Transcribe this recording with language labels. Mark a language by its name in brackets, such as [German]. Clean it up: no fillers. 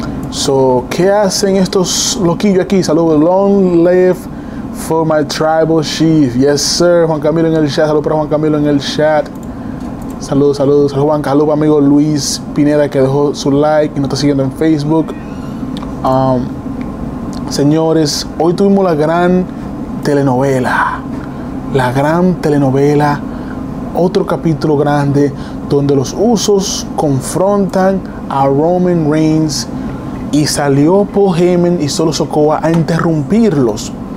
[Spanish] So, ¿qué hacen estos loquillos aquí? Saludos. [English] Long live for my tribal chief. Yes, sir. [Spanish] Juan Camilo en el chat. Saludos para Juan Camilo en el chat. Saludos, saludos. Saludos, Juan. Saludos, amigo Luis Pineda, que dejó su like y nos está siguiendo en Facebook. Señores, hoy tuvimos la gran telenovela. La gran telenovela. Otro capítulo grande donde los Usos confrontan a Roman Reigns y salió Paul Heyman y Solo Sikoa a interrumpirlos.